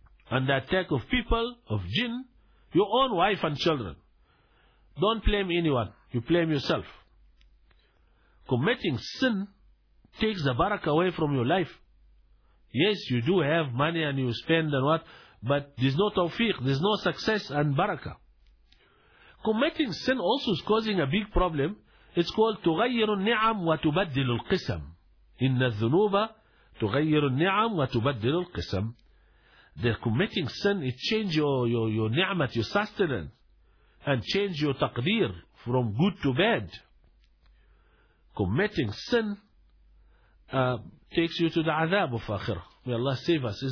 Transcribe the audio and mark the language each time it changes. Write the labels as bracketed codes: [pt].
[en] Under attack of people, of jinn, your own wife and children. Don't blame anyone. You blame yourself. Committing sin takes the barak away from your life. Yes, you do have money and you spend and what, but there's no tawfiq, there's no success and barakah. Committing sin also is causing a big problem. It's called [ar] تُغَيِّرُ النِّعَمْ وَتُبَدِّلُ الْقِسَمْ. إِنَّ الذُّنُوبَ تُغَيِّرُ النِّعَمْ وَتُبَدِّلُ الْقِسَمْ. [en] The committing sin, it changes your ni'mat, your sustenance, and change your taqdeer from good to bad. Committing sin takes you to the azab of akhirah. May Allah save us.